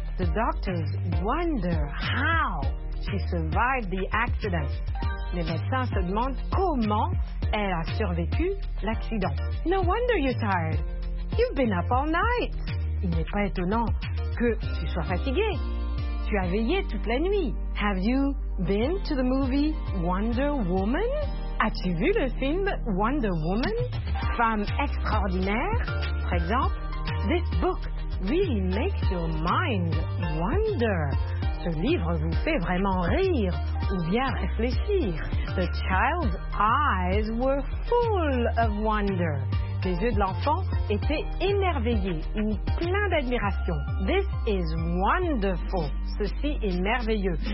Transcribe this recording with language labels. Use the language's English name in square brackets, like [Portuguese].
[English] The doctors wonder how she survived the accident. [French] Les médecins se demandent comment elle a survécu l'accident. [English] No wonder you're tired. You've been up all night. [French] Il n'est pas étonnant que tu sois fatigué. Tu as veillé toute la nuit. [English] Have you been to the movie Wonder Woman? [French] As-tu vu le film Wonder Woman? Femme extraordinaire? Par exemple, [English] this book really makes your mind wonder. [French] Ce livre vous fait vraiment rire ou bien réfléchir. [English] The child's eyes were full of wonder. [French] Les yeux de l'enfant étaient émerveillés ou pleins d'admiration. [English] This is wonderful. [French] Ceci est merveilleux.